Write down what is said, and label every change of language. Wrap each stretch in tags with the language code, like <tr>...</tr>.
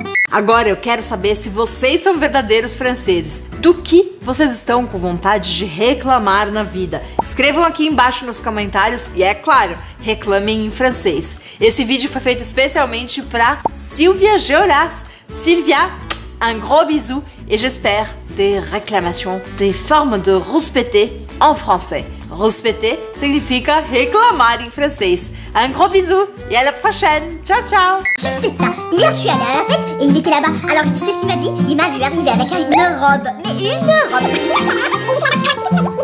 <pt>Agora eu quero saber se vocês são verdadeiros franceses. Do que vocês estão com vontade de reclamar na vida? Escrevam aqui embaixo nos comentários e, é claro, reclamem em francês. Esse vídeo foi feito especialmente para Sylvia Géoras.</pt> <fr>Sylvia, un gros bisou et j'espère des réclamations, des formes de rouspéter en français.</fr> <pt>Rouspéter significa reclamar em francês.</pt> <fr>Un gros bisou et à la prochaine.</fr> <pt>Tchau, tchau.</pt> <fr>Hier, je suis allée à la fête et il était là-bas. Alors, tu sais ce qu'il m'a dit? Il m'a vu arriver avec une robe. Mais une robe!</fr>